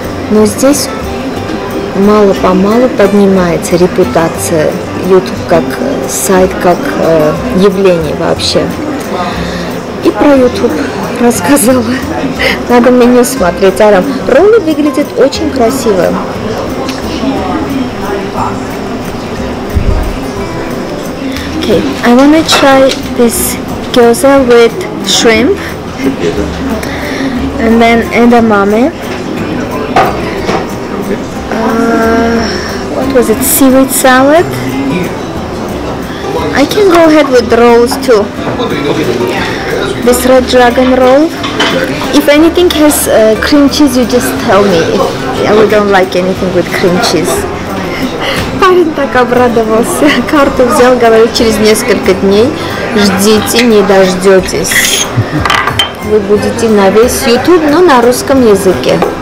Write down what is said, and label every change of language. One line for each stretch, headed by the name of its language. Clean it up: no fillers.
Russian: Но здесь мало-помалу поднимается репутация Ютуб как сайт, как явление вообще. И про Ютуб рассказала. Надо меню смотреть. Арам, роллы выглядят очень красиво.
English: Okay, I wanna try this gyoza with shrimp. And then edamame. What was it? Seaweed salad? I can go ahead with the rolls too. This red dragon roll. If anything has cream cheese, you just tell me. We don't like anything with cream cheese.
Russian: Парень так обрадовался. Карту взял, говорит, через несколько дней. Ждите, не дождетесь. Вы будете на весь YouTube, но на русском языке.